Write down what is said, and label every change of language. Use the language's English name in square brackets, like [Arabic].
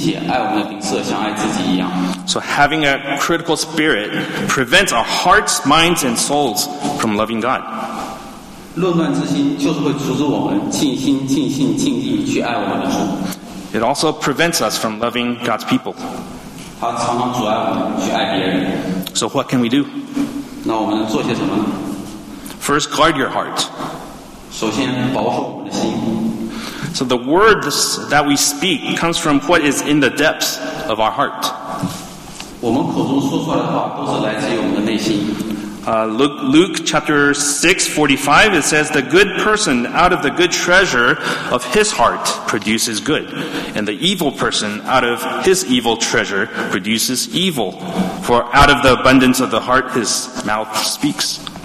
[Chinese] 他说的是我们要尽心尽意的爱他，并且爱我们的邻舍，像爱自己一样。 [English] So having a critical spirit prevents our hearts, minds, and souls from loving God. [Chinese] 论乱之心就是会阻止我们尽心尽性尽意去爱我们的主。 [English] It also prevents us from loving God's people. [Chinese] 它常常阻碍我们去爱别人。 [English] So what can we do? [Chinese] 那我们能做些什么呢？ [English] First, guard your heart. [Chinese] 首先保守我们的心。 [English] So the words that we speak comes from what is in the depths of our heart. [Chinese] 我们口中说出来的话都是来自于我们的内心。 [English] Luke chapter 6:45, it says, the good person out of the good treasure of his heart produces good, and the evil person out of his evil treasure produces evil. For out of the abundance of the heart, his mouth speaks.